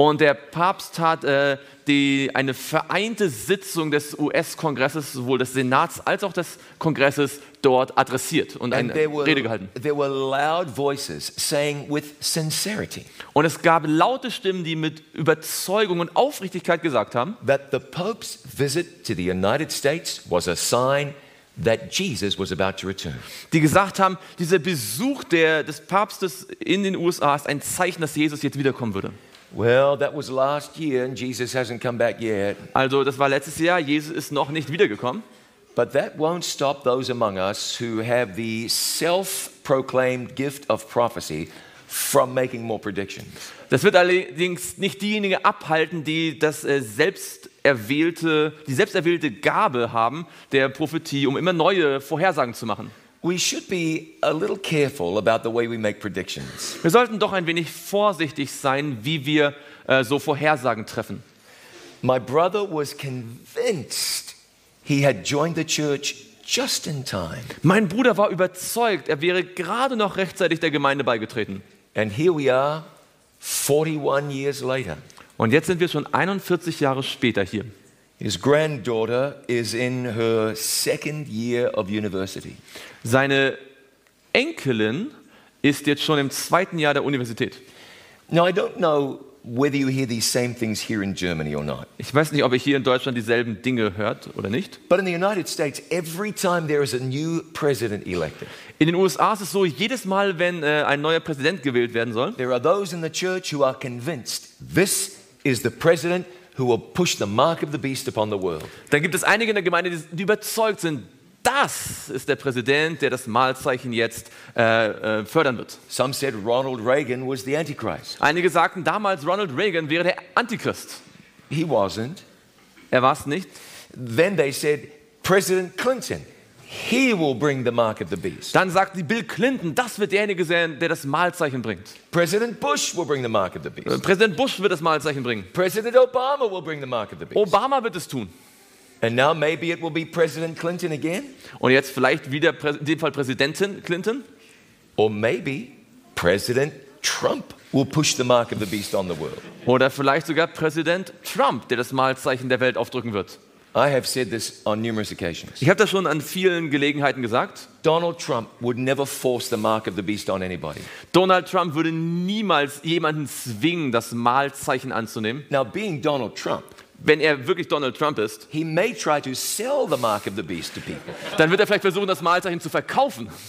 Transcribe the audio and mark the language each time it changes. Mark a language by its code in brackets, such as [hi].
[de] Und der Papst hat eine vereinte Sitzung des US-Kongresses, sowohl des Senats als auch des Kongresses, dort adressiert und Rede gehalten. [en] There were loud voices saying with sincerity, [de] und es gab laute Stimmen, die mit Überzeugung und Aufrichtigkeit gesagt haben, [en] that the Pope's visit to the United States was a sign that Jesus was about to return. [de] Die gesagt haben, dieser Besuch des Papstes in den USA ist ein Zeichen, dass Jesus jetzt wiederkommen würde. [en] Well, that was last year and Jesus hasn't come back yet. [de] Also, das war letztes Jahr, Jesus ist noch nicht wiedergekommen. [en] But that won't stop those among us who have the self-proclaimed gift of prophecy from making more predictions. [de] Das wird allerdings nicht diejenigen abhalten, die die selbst erwählte Gabe haben, der Prophetie, um immer neue Vorhersagen zu machen. [en] We should be a little careful about the way we make predictions. [de] Wir sollten doch ein wenig vorsichtig sein, wie wir so Vorhersagen treffen. [en] My brother was convinced he had joined the church just in time. [de] Mein Bruder war überzeugt, er wäre gerade noch rechtzeitig der Gemeinde beigetreten. [en] And here we are, 41 years later. [de] Und jetzt sind wir schon 41 Jahre später hier. [en] His granddaughter is in her second year of university. [de] Seine Enkelin ist jetzt schon im zweiten Jahr der Universität. [en] Now I don't know whether you hear these same things here in Germany or not. [de] Ich weiß nicht, ob ihr hier in Deutschland dieselben Dinge hört oder nicht. [en] But in the United States, every time there is a new president elected. [de] In den USA ist es so, jedes Mal, wenn ein neuer Präsident gewählt werden soll. [en] There are those in the church who are convinced this is the president who will push the mark of the beast upon the world. [de] Dann gibt es einige in der Gemeinde, die überzeugt sind, das ist der Präsident, der das Malzeichen jetzt fördern wird. [en] Some said Ronald Reagan was the Antichrist. [de] Einige sagten damals, Ronald Reagan wäre der Antichrist. [en] He wasn't. [de] Er war es nicht. [en] Then they said President Clinton, he will bring the mark of the beast. [de] Dann sagten die Bill Clinton, das wird derjenige sein, der das Malzeichen bringt. [en] President Bush will bring the mark of the beast. [de] Präsident Bush wird das Malzeichen bringen. [en] President Obama will bring the mark of the beast. [de] Obama wird es tun. [en] And now maybe it will be President Clinton again. [de] Und jetzt vielleicht wieder in dem Fall Präsidentin Clinton. [en] Or maybe President Trump will push the mark of the beast on the world. [de] Oder vielleicht sogar Präsident Trump, der das Malzeichen der Welt aufdrücken wird. [en] I have said this on numerous occasions. [de] Ich habe das schon an vielen Gelegenheiten gesagt. [en] Donald Trump would never force the mark of the beast on anybody. [de] Donald Trump würde niemals jemanden zwingen, das Malzeichen anzunehmen. [en] Now being Donald Trump, [de] wenn er wirklich Donald Trump ist, [en] he may try to sell the mark of the beast to people. [de] Dann wird er vielleicht versuchen, das Malzeichen zu verkaufen.